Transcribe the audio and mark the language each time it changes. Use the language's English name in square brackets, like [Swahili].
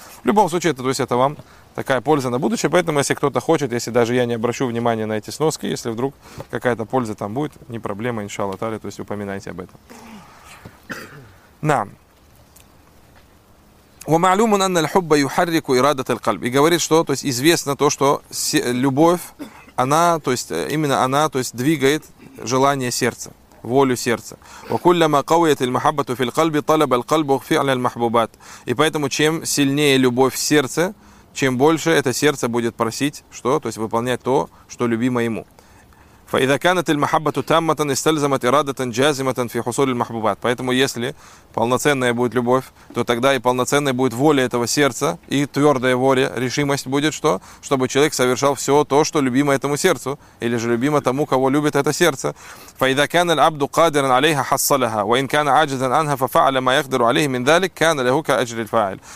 [Russian] В любом случае, это, то есть, это вам такая польза на будущее. Поэтому, если кто-то хочет, если даже я не обращу внимания на эти сноски, если вдруг какая-то польза там будет, не проблема, иншаллах та'ля, то есть, упоминайте об этом. Нам. [Arabic] ومعلوم أن الحب يحرك إرادة القلب. [Russian] И говорит, что, то есть, известно то, что любовь, она, то есть, именно она, то есть, двигает желание сердца, волю сердца. [Arabic] وكلما قويت المحبة في القلب طلب القلب فعل المحبوبات. [Russian] И поэтому чем сильнее любовь в сердце, чем больше это сердце будет просить, что, то есть, выполнять то, что любимо ему. [Arabic] فإذا كانت المحبة تامة استلزمت إرادة جازمة في حصول المحبوبات. [Russian] Поэтому если полноценная будет любовь, то тогда и полноценная будет воля этого сердца, и твердая воля, решимость будет, что? Чтобы человек совершал все то, что любимо этому сердцу, или же любимо тому, кого любит это сердце. [Arabic] فإذا كان العبد قادرا عليها حصلها وإن كان عاجزا عنها ففعل ما يقدر عليه من ذلك كان له كأجر الفاعل.